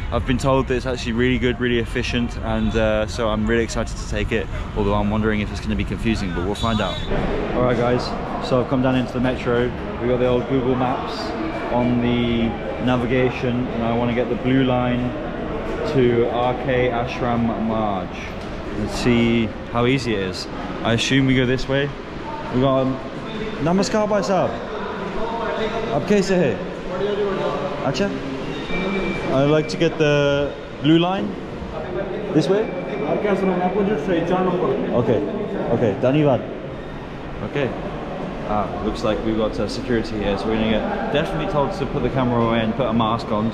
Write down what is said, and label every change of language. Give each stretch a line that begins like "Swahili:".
English: I've been told that it's actually really good, really efficient, and so I'm really excited to take it, although I'm wondering if it's gonna be confusing, but we'll find out. All right guys, so I've come down into the metro. We got the old Google Maps on the navigation, and I wanna get the blue line to RK Ashram Marj and see how easy it is. I assume we go this way. We got
Hindi: नमस्कार, भाई साहब. अब कैसे है? Acha?
English: I'd like to get the blue line. This way? Okay. Okay. Dhanyavaad. Okay. Ah, looks like we've got security here. So we're going to get definitely told to put the camera away and put a mask on.